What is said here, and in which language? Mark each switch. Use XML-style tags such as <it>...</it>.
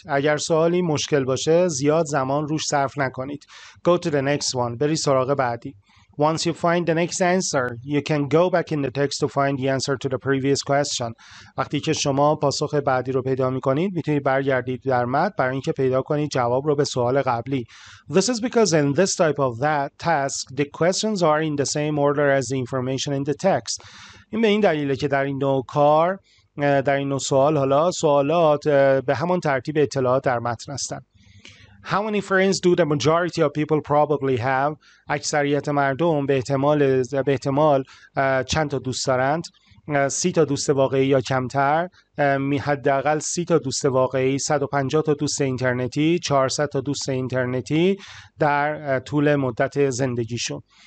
<fa>اگر سوالی مشکل باشه، زیاد زمان روش صرف نکنید.</fa> <en>Go to the next one.</en> <fa>بری سراغ بعدی.</fa> <en>Once you find the next answer, you can go back in the text to find the answer to the previous question.</en> <fa>وقتی که شما پاسخ بعدی رو پیدا می‌کنید، می‌تونید برگردید در متن برای اینکه پیدا کنید جواب رو به سوال قبلی.</fa> <en>This is because in this type of that task, the questions are in the same order as the information in the text.</en> <fa>این به این دلیله که در این نوع کار، در این نوع سوال، حالا سوالات به همان ترتیب اطلاعات در متن هستند.</fa> <en>How many friends do the majority of people probably have?</en> <fa>اکثریت مردم به احتمال چند تا دوست دارند؟ 30 تا دوست واقعی یا کمتر؟ حداقل 30 تا دوست واقعی، 150 تا دوست اینترنتی، 400 تا دوست اینترنتی در طول مدت زندگیشون.</fa>